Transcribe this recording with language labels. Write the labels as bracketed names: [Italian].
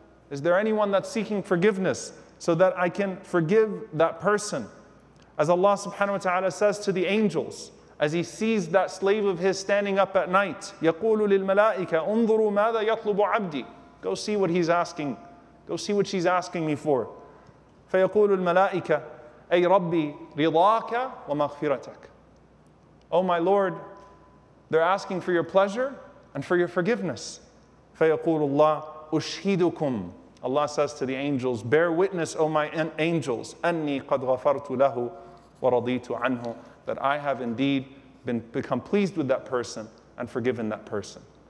[English] Is there anyone that's seeking forgiveness so that I can forgive that person? As Allah subhanahu wa ta'ala says to the angels, as he sees that slave of his standing up at night, [Arabic] yaqulu lil malaika undhuru madha yatlubu 'abdi. [English] Go see what he's asking. Go see what she's asking me for. [Arabic] Fayaqulu al malaika, أي ربي رضاك ومغفرتك. [English] Oh my Lord, they're asking for your pleasure and for your forgiveness. [Arabic] فيقول الله أشهدكم. [English] Allah says to the angels, bear witness, O my angels, [Arabic] أني قد غفرت له ورضيت عنه, [English] that I have indeed become pleased with that person and forgiven that person.